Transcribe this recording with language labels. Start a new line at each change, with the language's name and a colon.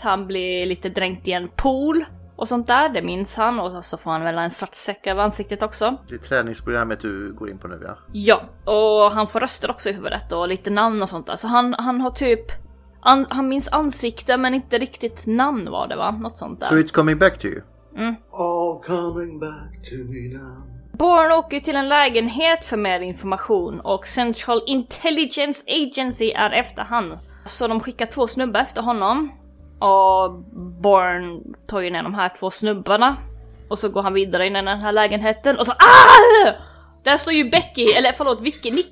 Swedish: Han blir lite dränkt i en pool och sånt där, det minns han. Och så får han väl en svart säck över ansiktet också. Det är träningsprogrammet du går in på nu, ja. Ja, och han får röster också i huvudet och lite namn och sånt där. Så han har typ, han minns ansikte men inte riktigt namn var det, va? Något sånt där.
English: So it's coming back to you. Mm. All coming back to me now.
Swedish: Born åker till en lägenhet för mer information och Central Intelligence Agency är efter han. Så de skickar två snubbar efter honom. Och Born tar ju ner de här två snubbarna. Och så går han vidare in i den här lägenheten. Och så, ah! Där står ju Becky, eller förlåt, Becky,